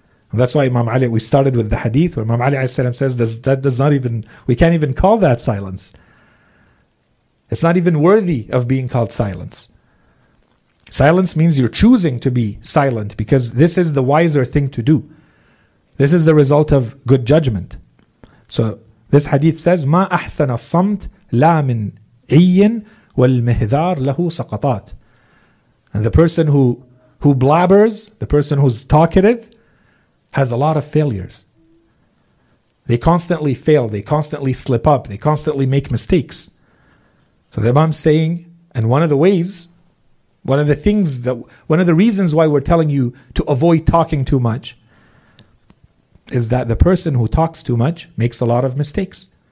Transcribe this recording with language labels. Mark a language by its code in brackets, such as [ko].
[en] And that's why Imam Ali, we started with the hadith where Imam Ali says, we can't even call that silence. It's not even worthy of being called silence. Silence means you're choosing to be silent because this is the wiser thing to do. This is the result of good judgment. So this hadith says, [ar] "ما أحسن الصمت لا من عين والمهذار له سقطات." [en] And the person who blabbers, the person who's talkative, has a lot of failures. They constantly fail, they constantly slip up, they constantly make mistakes. So the Imam's saying, and one of the ways, one of the things that, one of the reasons why we're telling you to avoid talking too much is that the person who talks too much makes a lot of mistakes.